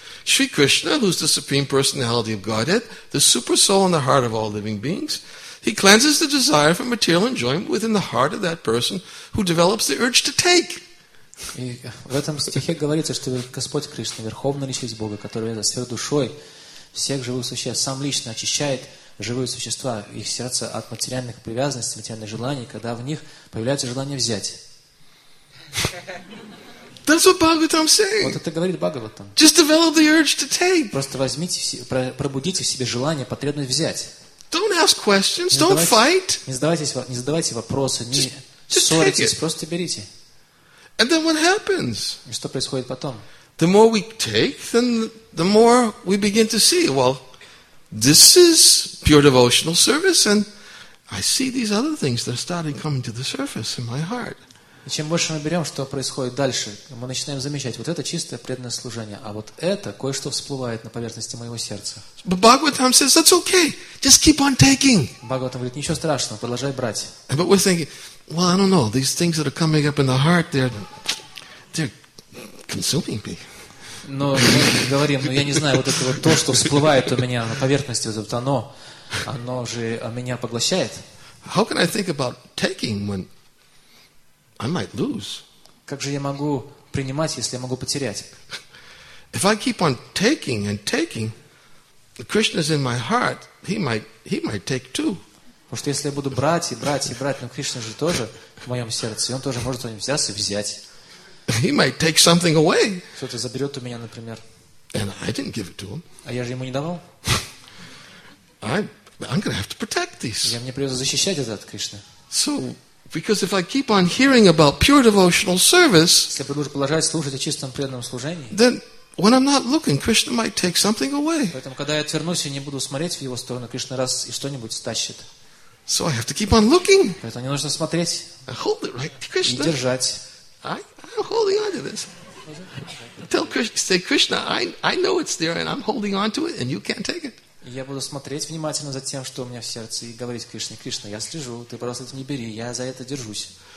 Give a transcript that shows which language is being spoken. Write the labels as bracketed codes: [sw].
[en] Shri Krishna, who is the Supreme Personality of Godhead, the Super Soul in the heart of all living beings, he cleanses the desire for material enjoyment within the heart of that person who develops the urge to take. [ru] И в этом стихе говорится, что Господь Кришна, Верховная Личность Бога, который ведет сверхдушой всех живых существ, сам лично очищает живые существа, их сердца от материальных привязанностей, материальных желаний, когда в них появляется желание взять. [en] That's what Bhagavatam saying. [ru] Вот это говорит Бхагаватам. [en] Just develop the urge to take. [ru] Просто возьмите, пробудите в себе желание, потребность взять. [en] Don't ask questions, don't fight. [ru] Не задавайте вопросы, не ссоритесь, просто берите. [en] And then what happens? [ru] И что происходит потом? [en] The more we take, then the more we begin to see, well, this is pure devotional service, and I see these other things that are starting coming to the surface in my heart. [ru] И чем больше мы берем, что происходит дальше, мы начинаем замечать, вот это чистое преданное служение, а вот это кое-что всплывает на поверхности моего сердца. [en] But Bhagavatam says, that's okay, just keep on taking. [ru] Bhagavatam говорит, ничего страшного, продолжай брать. [en] But we're thinking, well, I don't know, these things that are coming up in the heart, they're consuming me. [ru] Но мы говорим, ну я не знаю, вот это вот то, что всплывает у меня на поверхности, вот это оно же меня поглощает. [en] How can I think about taking when I might lose. [ru] Как же я могу принимать, если я могу потерять? [en] If I keep on taking and taking, Krishna's in my heart, he might take too. [ru] Потому что если я буду брать и брать и брать, но Кришна же тоже в моем сердце, и он тоже может взяться и взять. [en] He might take something away. [ru] Что-то заберет у меня, например. [en] And I didn't give it to him. [ru] А я же ему не давал. [en] I'm going to have to protect this. [ru] Я мне придется защищать это от Кришны. [en] So, because if I keep on hearing about pure devotional service, [ru] если буду продолжать слушать о чистом преданном служении, [en] then when I'm not looking, Krishna might take something away. [ru] Поэтому, когда я отвернусь и не буду смотреть в его сторону, Кришна раз и что-нибудь стащит. [en] So I have to keep on looking. [ru] Поэтому мне нужно смотреть. [en] I hold it right, Krishna. [ru] И держать. [en] I'm holding on to this. Tell Krishna, say Krishna, I know it's there and I'm holding on to it and you can't take it. [ru] Я буду смотреть внимательно за тем, что у меня в сердце, и говорить Кришне, Кришна, я слежу, ты просто это не бери, я за это держусь.